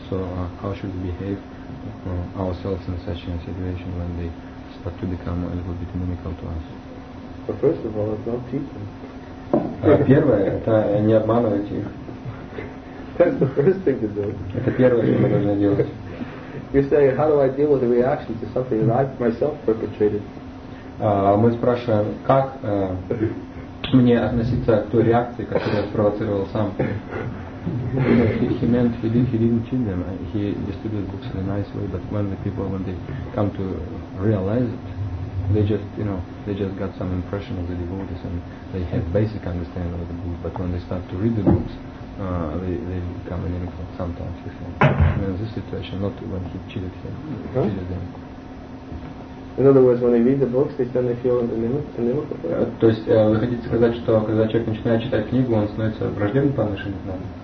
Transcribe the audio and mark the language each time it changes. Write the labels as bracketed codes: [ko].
[en] So how should we behave ourselves in such a situation when they start to become a little bit inimical to us? Well, first of all, it's not cheating. [ru] Первое, это не обманывать их. [en] That's the first thing to do. You're saying, how do I deal with the reaction to something that I myself perpetrated? [ru] Мы спрашиваем, как мне относиться к той реакции, которую я спровоцировал сам. [en] He meant he didn't cheat them. He distributed books in a nice way, but when they come to realize it, they just got some impression of the devotees and they have basic understanding of the books. But when they start to read the books, they become inimical sometimes, you think. I mean, this situation, not when he cheated him. Huh? Cheated them. In other words, when they read the books, they suddenly feel inimical? [ru] То есть вы хотите сказать, что когда человек начинает читать книгу, он становится враждебным по отношению к нам?